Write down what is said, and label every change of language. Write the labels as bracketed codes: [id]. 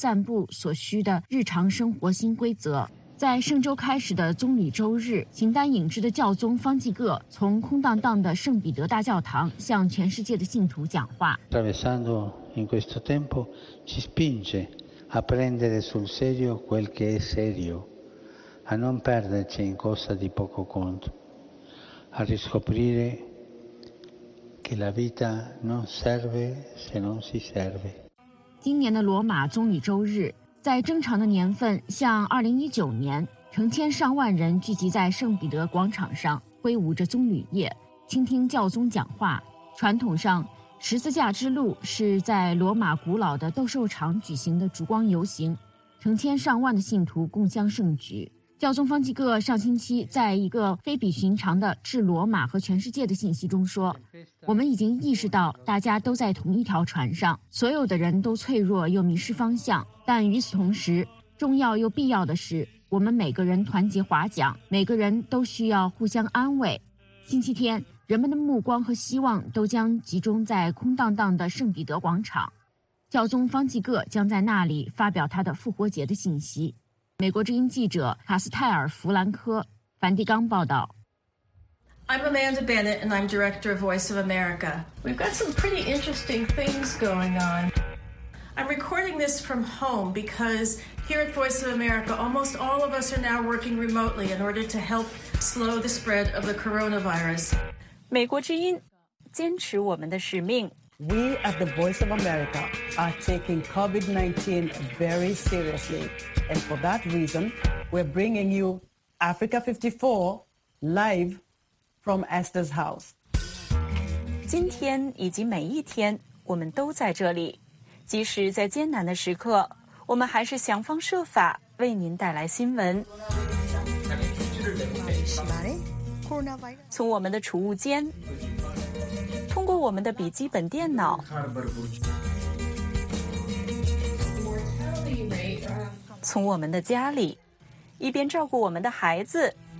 [zh] 由于新冠病毒的爆发，永恒之城罗马今年的圣周没有塞车，空旷的广场没有游客，像梦境一样，没有人想象得到。在通常人潮熙来攘往的罗马著名的地标，像莱特维喷泉和罗马斗兽场，时间仿佛停顿了。罗马市长维吉尼亚拉吉表示，罗马人正在认真对待为了阻止致命病毒散布所需的日常生活新规则。在圣周开始的棕榈周日，形单影只的教宗方济各从空荡荡的圣彼得大教堂向全世界的信徒讲话。 [it] Attraversando in questo tempo ci spinge a prendere sul serio quel che è serio, a non perderci in cosa di poco conto, a riscoprire che la vita non serve se non si serve. [zh] 今年的罗马棕榈周日，在正常的年份，像2019年。成千上万人聚集在圣彼得广场上，挥舞着棕榈叶，倾听教宗讲话。传统上，十字架之路是在罗马古老的斗兽场举行的烛光游行，成千上万的信徒共襄盛举。教宗方济各上星期在一个非比寻常的致罗马和全世界的信息中说，我们已经意识到大家都在同一条船上，所有的人都脆弱又迷失方向，但与此同时，重要又必要的是我们每个人团结划桨，每个人都需要互相安慰。星期天，人们的目光和希望都将集中在空荡荡的圣彼得广场，教宗方济各将在那里发表他的复活节的信息。美国之音记者卡斯泰尔·弗兰科·梵蒂冈报道。 [en] I'm Amanda Bennett and I'm director of Voice of America. We've got some pretty interesting things going on. I'm recording this from home because here at Voice of America, almost all of us are now working remotely in order to help slow the spread of the coronavirus. [zh] 美国之音坚持我们的使命。 [en] We at the Voice of America are taking COVID-19 very seriously. And for that reason, we're bringing you Africa 54 live from Esther's house. [zh] 今天以及每一天我们都在这里。即使在艰难的时刻，我们还是想方设法为您带来新闻。从我们的储物间，通过我们的笔记本电脑，从我们的家里，一边照顾我们的孩子，